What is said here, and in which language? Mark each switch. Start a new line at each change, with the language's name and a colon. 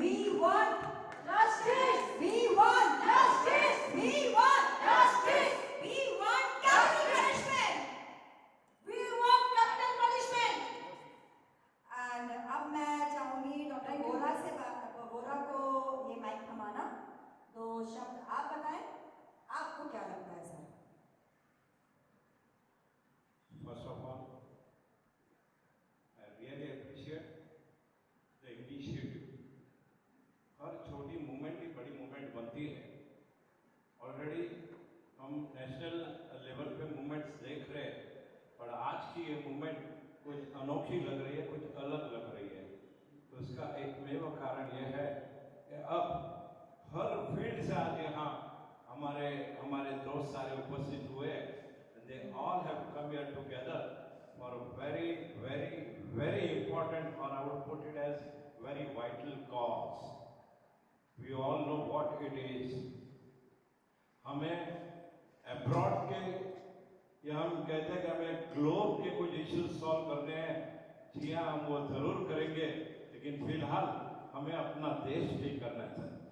English: We want justice, we want justice, we want justice, we want capital punishment, we want capital punishment.
Hindi: And अब मैं चाहूंगी doctor बोरा से बात, बोरा को ये माइक थमाना, तो शब्द आप बताएं, आपको क्या लगता है sir?
English: First of all, I really appreciate the initiative.
Hindi: हर छोटी मूवमेंट भी बड़ी मूवमेंट बनती है। ऑलरेडी हम नेशनल लेवल पे मूवमेंट्स देख रहे हैं, पर आज की ये मूवमेंट कुछ अनोखी लग रही है, कुछ अलग लग रही है। तो इसका एक मेन कारण यह है कि अब हर फील्ड से आज यहाँ हमारे दोस्त सारे उपस्थित हुए हैं।
English: They all have come here together for a very, very, very important, or I would put it as very vital cause. We all know what it is.
Hindi: हमें abroad के या हम कहते हैं कि हमें globe के कुछ issues solve करने हैं, जी हाँ हम वो जरूर करेंगे, लेकिन फिलहाल हमें अपना देश ठीक करना है।